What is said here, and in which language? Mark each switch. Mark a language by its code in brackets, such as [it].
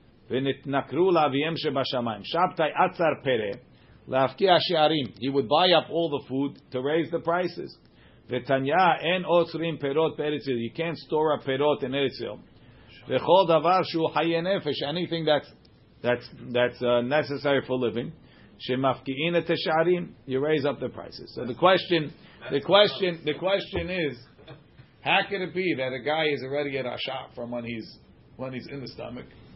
[he] ונתנקרו לאביהם שבשמיים. שבתאי עצר פרה, להפקיע שערים. [en] He would buy up all the food to raise the prices. [he] ותניה, אין עוצרים פירות בארץ ישראל. [en] You can't store up [he] פירות [en] in [he] ארץ ישראל. וכל דבר שהוא חיי נפש, [en] anything that's necessary for living, [he] שמפקיעין את השערים, [en] you raise up the prices. So the question is, how could it be that a guy is already at a shop from when he's in the stomach?